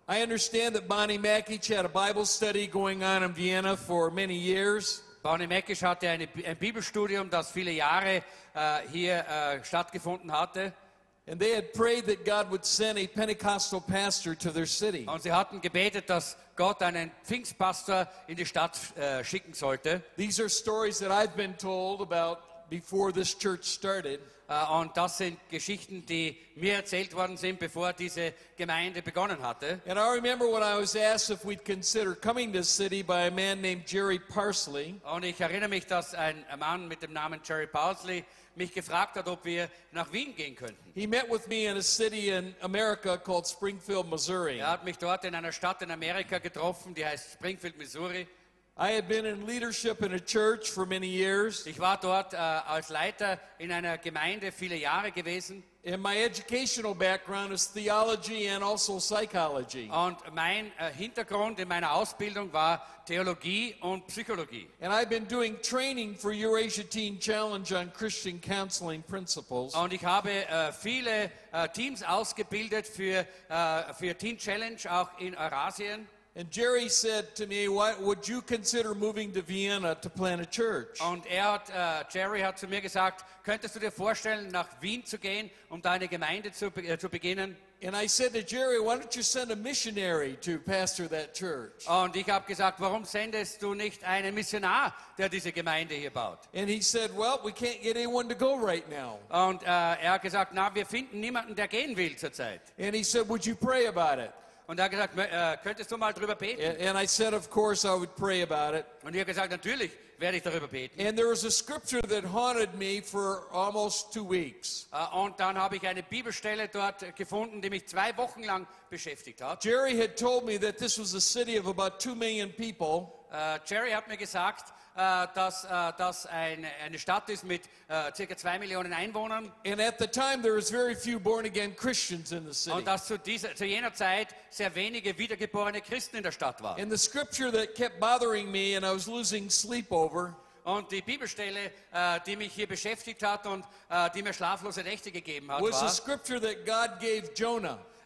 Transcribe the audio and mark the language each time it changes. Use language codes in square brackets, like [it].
[en] I understand that Bonnie Mackish had a Bible study going on in Vienna for many years. [de] Bonnie Mackish hatte ein Bibelstudium, das viele Jahre hier stattgefunden hatte. [en] And they had prayed that God would send a Pentecostal pastor to their city. [de] Und sie hatten gebetet, dass Gott einen Pfingstpastor in die Stadt schicken sollte. [en] These are stories that I've been told about before this church started. [de] Und das sind Geschichten, die mir erzählt worden sind, bevor diese Gemeinde begonnen hatte. [en] And I remember when I was asked if we'd consider coming to the city by a man named Jerry Parsley. [de] Und ich erinnere mich, dass ein Mann mit dem Namen Jerry Parsley mich gefragt hat, ob wir nach Wien gehen könnten. [en] He met with me in a city in America called Springfield, Missouri. [de] Er hat mich dort in einer Stadt in Amerika getroffen, die heißt Springfield, Missouri. [en] I had been in leadership in a church for many years. [de] Ich war dort als Leiter in einer Gemeinde viele Jahre gewesen. [en] And my educational background is theology and also psychology. [de] Und mein Hintergrund in meiner Ausbildung war Theologie und Psychologie. [en] And I've been doing training for Eurasia Teen Challenge on Christian counseling principles. [de] Und ich habe viele Teams ausgebildet für Teen Challenge auch in Eurasien. [en] And Jerry said to me, "Why would you consider moving to Vienna to plant a church?" [de] Und Jerry hat zu mir gesagt, könntest du dir vorstellen, nach Wien zu gehen, um deine Gemeinde zu beginnen? [en] And I said to Jerry, "Why don't you send a missionary to pastor that church?" [de] Und ich habe gesagt, warum sendest du nicht einen Missionar, der diese Gemeinde hier baut? [en] And he said, "Well, we can't get anyone to go right now." [de] Und hat gesagt, na, wir finden niemanden, der gehen will zurzeit. [en] And he said, "Would you pray about it?" [de] Und er hat gesagt, könntest du mal drüber beten? [en] And I said, of course I would pray about it. [de] Und ich habe gesagt, natürlich werde ich darüber beten. [en] And there was a scripture that haunted me for almost 2 weeks. [de] Und dann habe ich eine Bibelstelle dort gefunden, die mich 2 Wochen lang beschäftigt hat. [en] Jerry had told me that this was a city of about 2 million people. [de] Jerry hat mir gesagt, dass das eine Stadt ist mit ca. 2 Millionen Einwohnern. [en] And at the time there was very few born again Christians in the city. [de] Und dass zu jener Zeit sehr wenige wiedergeborene Christen in der Stadt waren. [en] And the scripture that kept bothering me and I was losing sleep over. [de] Und die Bibelstelle, die mich hier beschäftigt hat und die mir schlaflose Nächte gegeben hat, [en] was the scripture that God gave Jonah.